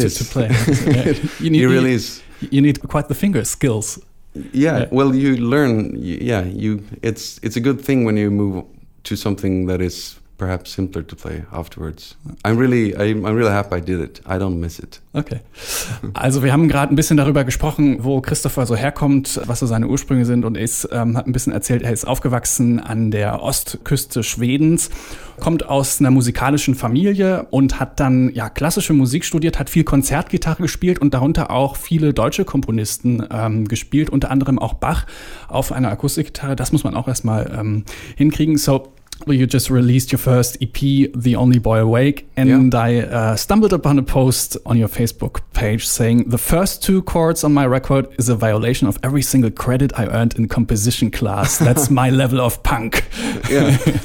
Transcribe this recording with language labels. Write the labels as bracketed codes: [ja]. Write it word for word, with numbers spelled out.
[en] to, is to play. yeah. You need, it really you, is. You need quite the finger skills. Yeah, yeah, well, you learn. Yeah, you. It's it's a good thing when you move to something that is perhaps simpler to play afterwards. I'm really, I'm, I'm really happy I did it. I don't miss it. Okay. [de] Also wir haben gerade ein bisschen darüber gesprochen, wo Christopher so herkommt, was so seine Ursprünge sind, und er ist, ähm, hat ein bisschen erzählt, er ist aufgewachsen an der Ostküste Schwedens, kommt aus einer musikalischen Familie und hat dann ja klassische Musik studiert, hat viel Konzertgitarre gespielt und darunter auch viele deutsche Komponisten ähm, gespielt, unter anderem auch Bach auf einer Akustikgitarre. Das muss man auch erstmal ähm, hinkriegen. [en] So you just released your first E P, The Only Boy Awake, and yeah. I uh, stumbled upon a post on your Facebook page saying, the first two chords on my record is a violation of every single credit I earned in composition class. That's my level of punk. Yeah.